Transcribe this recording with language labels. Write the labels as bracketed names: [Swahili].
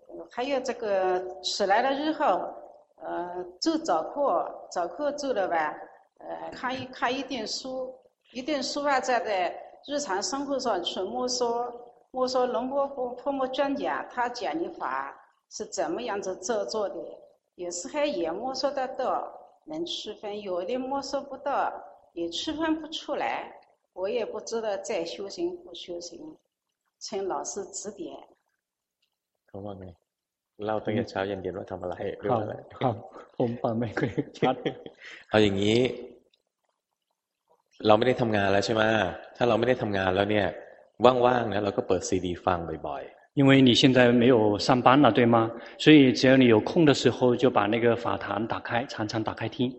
[Chinese] 还有这个起来了之后做早课做了吧看一点书一点书吧在日常生活上去摸索龙波波泼摸专家他讲的法是怎么样子坐坐的有时候也摸索得到能区分有的摸索不到也区分不出来我也不知道在修行不修行请老师指点 [Thai] เขาว่าไงเล่าตั้งแต่เช้าเย็นเย็นว่าทำอะไร ครับครับผมฟังไม่เคยชัด เอาอย่างนี้เราไม่ได้ทำงานแล้วใช่ไหมถ้าเราไม่ได้ทำงานแล้วเนี่ยว่างๆแล้วเราก็เปิดซีดีฟังบ่อยๆ [Chinese] 因为你现在没有上班了对吗所以只要你有空的时候就把那个法坛打开常常打开听